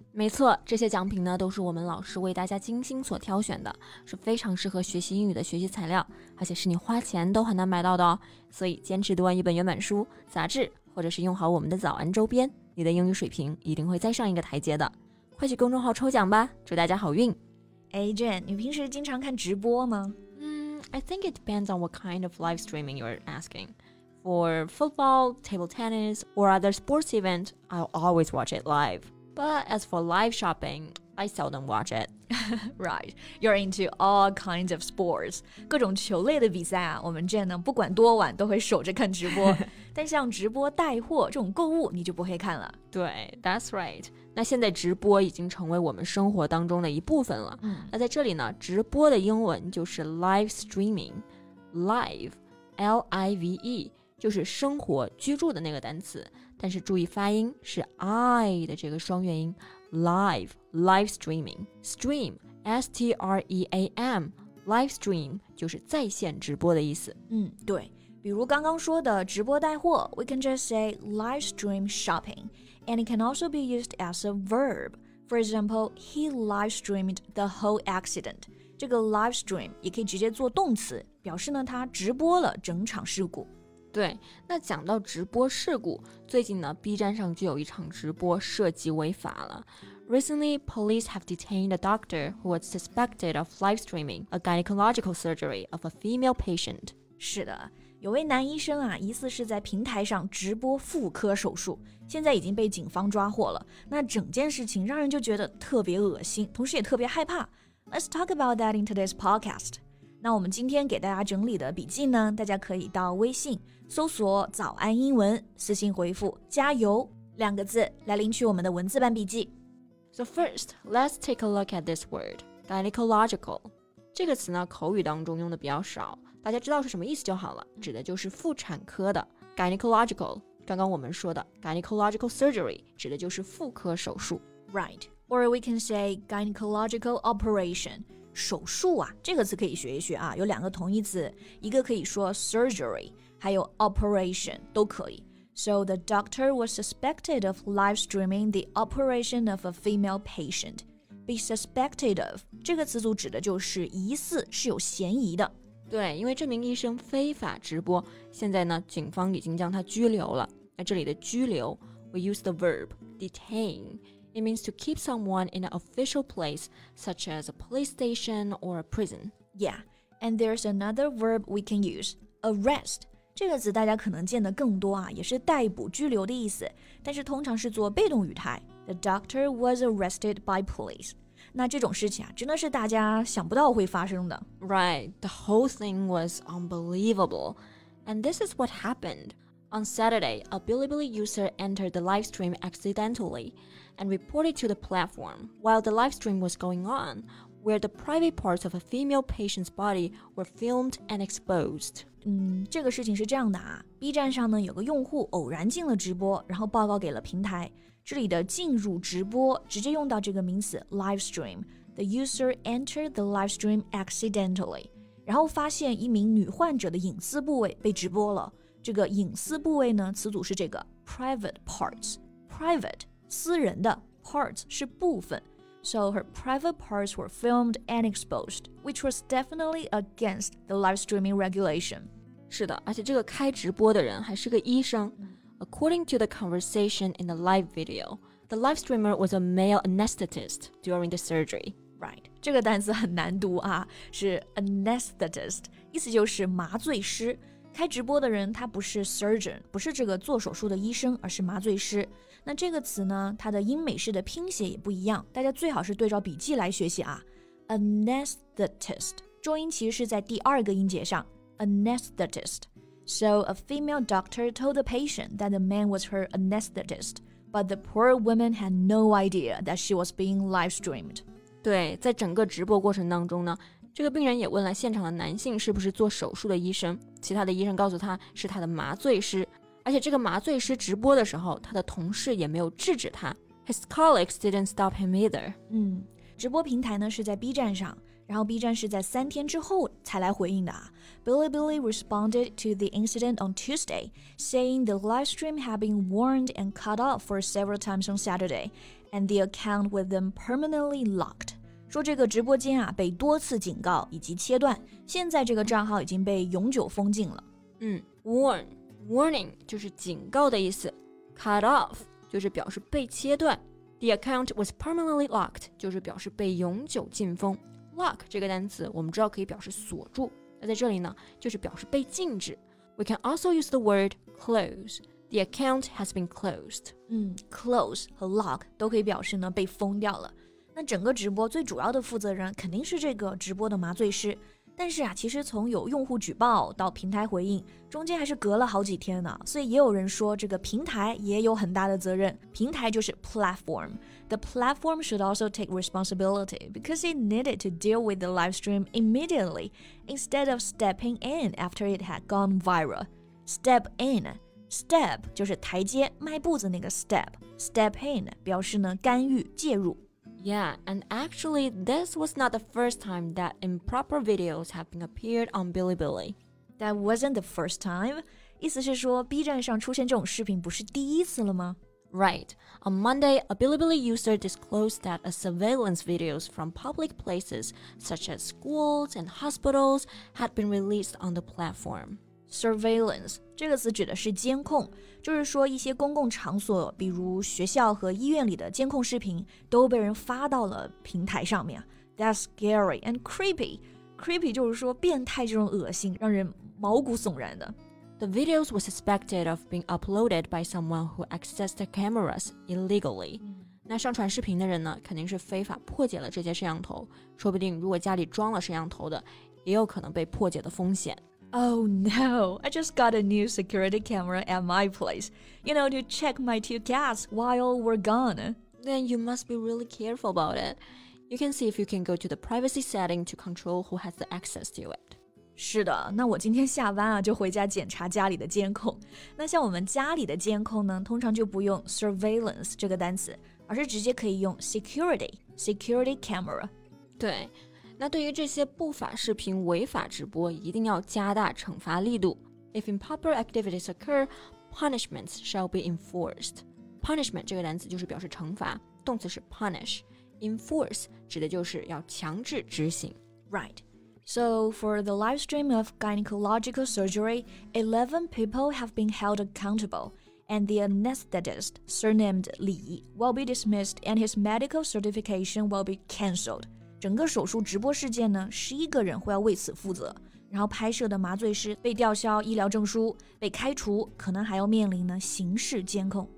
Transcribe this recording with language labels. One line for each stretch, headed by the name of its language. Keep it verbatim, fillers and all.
Chinese: 没错，这些奖品呢都是我们老师为大家精心所挑选的，是非常适合学习英语的学习材料，而且是你花钱都很难买到的哦。所以坚持读完一本原版书、杂志，或者是用好我们的早安周边，你的英语水平一定会再上一个台阶的。快去公众号抽奖吧，祝大家好运。诶 Jen， 你平时经常看直播吗？
English: 嗯 I think it depends on what kind of live streaming you're asking. For football, table tennis, or other sports event, I'll always watch it live. But as for live shopping, I seldom watch it. Right, you're into all kinds of sports.
Chinese: 各种球类的比赛啊，我们 Jen 呢不管多晚都会守着看直播。但像直播带货这种购物，你就不会看了。
English: 对 ，That's right.
Chinese: 那现在直播已经成为我们生活当中的一部分了。嗯、那在这里呢，直播的英文就是 live streaming. Live, L I V E, 就是生活居住的那个单词。但是注意发音是 I 的这个双元音 live, live streaming, stream, S T R E A M, live stream 就是在线直播的意思。嗯，对，比如刚刚说的直播带货
English: we can just say live stream shopping, and it can also be used as a verb. For example, he live streamed the whole accident.
Chinese: 这个 live stream 也可以直接做动词，表示呢他直播了整场事故。对，那讲到直播事故，最近呢 B 站上就有一场直播涉及违法了。
English: Recently, police have detained a doctor who was suspected of live streaming a gynecological surgery of a female patient.
Chinese: 是的，有位男医生啊，疑似是在平台上直播妇科手术，现在已经被警方抓获了。那整件事情让人就觉得特别恶心，同时也特别害怕。
English: Let's talk about that in today's podcast.
Chinese: 那我们今天给大家整理的笔记呢，大家可以到微信搜索早安英文，私信回复加油两个字来领取我们的文字版笔记。
English: So first, let's take a look at this word, gynecological.
Chinese: 这个词呢，口语当中用的比较少，大家知道是什么意思就好了，指的就是妇产科的 gynecological。刚刚我们说的 gynecological surgery 指的就是妇科手术。
English: Right, or we can say gynecological operation.
Chinese: 手术啊，这个词可以学一学啊，有两个同义词，一个可以说 surgery， 还有 operation 都可以。
English: So the doctor was suspected of live streaming the operation of a female patient.
Chinese: Be suspected of 这个词组指的就是疑似是有嫌疑的。对，因为这名医生非法直播，现在呢，警方已经将他拘留了。那这里的拘留
English: ，we use the verb detain. It means to keep someone in an official place, such as a police station or a prison. Yeah, and there's another verb we can use, arrest.
Chinese: 这个词大家可能见得更多啊，也是逮捕、拘留的意思，但是通常是做被动语态。
English: The doctor was arrested by police.
Chinese: 那这种事情啊，真的是大家想不到会发生的。
English: Right, the whole thing was unbelievable. And this is what happened. On Saturday, a Bilibili user entered the live stream accidentally and reported to the platform while the live stream was going on, where the private parts of a female patient's body were filmed and exposed.
Chinese: 嗯，这个事情是这样的啊 ，B 站上呢有个用户偶然进了直播，然后报告给了平台。这里的进入直播直接用到这个名词 live stream.
English: The user entered the live stream accidentally,
Chinese: 然后发现一名女患者的隐私部位被直播了。这个隐私部位呢，词组是这个 private parts. Private 私人的 parts 是部分。
English: So her private parts were filmed and exposed, which was definitely against the live streaming regulation.
Chinese: 是的，而且这个开直播的人还是个医生。
English: According to the conversation in the live video, the live streamer was a male anesthetist during the surgery. Right.
Chinese: 这个单词很难读啊，是 anesthetist， 意思就是麻醉师。开直播的人他不是 surgeon， 不是这个做手术的医生，而是麻醉师。那这个词呢，它的英美式的拼写也不一样，大家最好是对照笔记来学习啊。 Anesthetist， 重音其实是在第二个音节上 ，anesthetist。
English: So a female doctor told the patient that the man was her anesthetist, but the poor woman had no idea that she was being live streamed.
Chinese: 对，在整个直播过程当中呢，这个病人也问了现场的男性是不是做手术的医生，其他的医生告诉他是他的麻醉师，而且这个麻醉师直播的时候，他的同事也没有制止他。
English: His colleagues didn't stop him either.
Chinese: 嗯，直播平台呢是在 B 站上，然后 B 站是在三天之后才来回应的啊。
English: Bilibili responded to the incident on Tuesday, saying the live stream had been warned and cut off for several times on Saturday, and the account was then permanently locked.
Chinese: 说这个直播间啊被多次警告以及切断，现在这个账号已经被永久封禁了。嗯 warn warning 就是警告的意思， cut off 就是表示被切断，
English: the account was permanently locked
Chinese: 就是表示被永久禁封。 lock 这个单词我们知道可以表示锁住，那在这里呢就是表示被禁止。
English: We can also use the word close. The account has been closed.
Chinese: 嗯 close 和 lock 都可以表示呢被封掉了。那整个直播最主要的负责人肯定是这个直播的麻醉师，但是啊，其实从有用户举报到平台回应，中间还是隔了好几天呢，所以也有人说这个平台也有很大的责任。平台就是 platform.
English: The platform should also take responsibility because it needed to deal with the live stream immediately instead of stepping in after it had gone viral. Step in.
Chinese: Step 就是台阶迈步子那个 step. Step in 表示呢干预介入。
English: Yeah, and actually, this was not the first time that improper videos have been appeared on Bilibili. That wasn't the first time.
Chinese: 意思是说 B 站上出现这种视频不是第一次了吗？
English: Right. On Monday, a Bilibili user disclosed that a surveillance videos from public places such as schools and hospitals had been released on the platform.
Chinese: Surveillance 这个词指的是监控，就是说一些公共场所，比如学校和医院里的监控视频都被人发到了平台上面。
English: That's scary and creepy.
Chinese: Creepy 就是说变态，这种恶心让人毛骨悚然的。
English: The videos were suspected of being uploaded by someone who accessed the cameras illegally.
Chinese: 那上传视频的人呢，肯定是非法破解了这些摄像头，说不定如果家里装了摄像头的，也有可能被破解的风险。
English: Oh no, I just got a new security camera at my place, you know, to check my two cats while we're gone. Then you must be really careful about it. You can see if you can go to the privacy setting to control who has the access to it.
Chinese: 是的，那我今天下班啊就回家检查家里的监控。那像我们家里的监控呢，通常就不用 surveillance 这个单词，而是直接可以用 security, security camera. 对。那对于这些不法视频、违法直播，一定要加大惩罚力度。
English: If improper activities occur, punishments shall be enforced.
Chinese: Punishment 这个单词就是表示惩罚，动词是 punish. Enforce 指的就是要强制执行。
English: Right. So for the live stream of gynecological surgery, eleven people have been held accountable, and the anesthetist, surnamed Li, will be dismissed, and his medical certification will be cancelled.
Chinese: 整个手术直播事件呢，十一个人会要为此负责，然后拍摄的麻醉师被吊销医疗证书，被开除，可能还要面临呢刑事监控。